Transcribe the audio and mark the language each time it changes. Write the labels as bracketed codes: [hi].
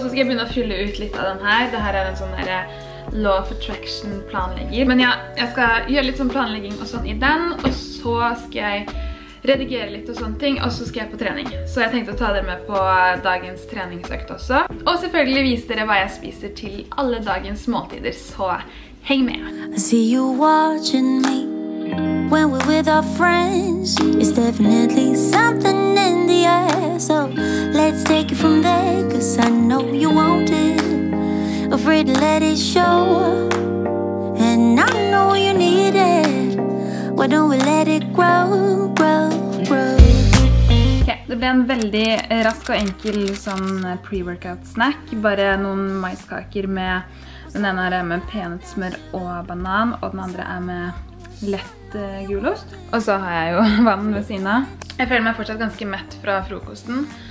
[no] Så skal jeg begynne å fylle ut litt av den her. Dette er en sånn der Law of Attraction planlegger. Men ja, jeg skal gjøre litt sånn planlegging og sånn i den, og så skal jeg redigere litt og sånne ting, og så skal jeg på trening. Så jeg tenkte å ta dere med på dagens treningsøkt også. Og selvfølgelig vise dere hva jeg spiser til alle dagens måltider, så heng med! [en] I see you watching me when we're with our friends. It's definitely something in the air, so let's take it from there, cause I know you want it. Afraid to let it show, and I know you need it. Why don't we let it grow, grow, grow? [no] Ok, det ble en veldig rask og enkel sånn pre-workout snack. Bare noen maiskaker med... Den ene her er med peanøttsmør og banan, og den andre er med lett gulost. Og så har jeg jo vann ved siden av. Jeg føler meg fortsatt ganske mett fra frokosten.